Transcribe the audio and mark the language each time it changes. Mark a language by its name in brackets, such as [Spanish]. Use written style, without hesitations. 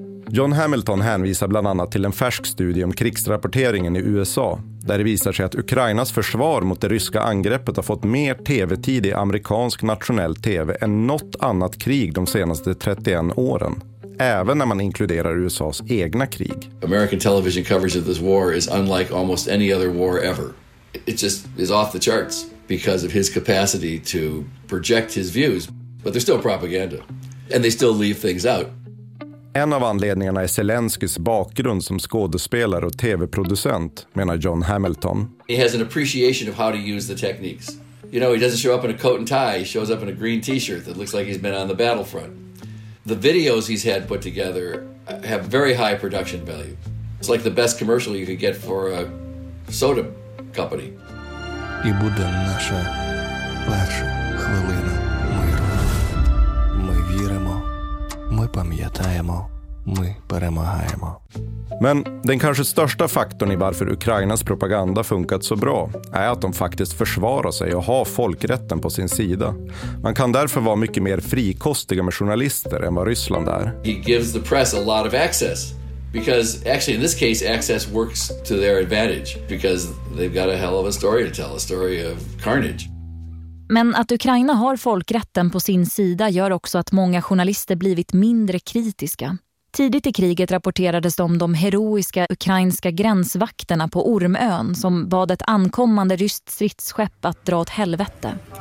[Swedish] John Hamilton hänvisar bland annat till en färsk studie om krigsrapporteringen i USA, där det visar sig att Ukrainas försvar mot det ryska angreppet har fått mer tv-tid i amerikansk nationell tv än något annat krig de senaste 31 åren. Även när man inkluderar USA:s egna krig. [English] American television coverage of this war is unlike almost any other war ever. It just is off the charts because of his capacity to project his views, but they're still propaganda and they still leave things out. [Swedish] En av anledningarna är Zelenskys bakgrund som skådespelare och TV-producent, menar John Hamilton. [English] He has an appreciation of how to use the techniques. You know, he doesn't show up in a coat and tie, he shows up in a green t-shirt that looks like he's been on the battlefront. The videos he's had put together have very high production value. It's like the best commercial you could get for a soda company. [Ukrainian] І буде наша перша хвилина миру. Ми віримо, ми пам'ятаємо ми перемагаємо. [Swedish] Men den kanske största faktorn i varför Ukrainas propaganda funkat så bra är att de faktiskt försvarar sig och har folkrätten på sin sida. Man kan därför vara mycket mer frikostiga med journalister än vad Ryssland är. [English] He gives the press a lot of access because actually in this case access works to their advantage because they've got a hell of a story to tell, a story of carnage. [Swedish] Men att Ukraina har folkrätten på sin sida gör också att många journalister blivit mindre kritiska. Tidigt i kriget rapporterades det om de heroiska ukrainska gränsvakterna på Ormön som bad ett ankommande ryskt stridsskepp att dra åt helvete.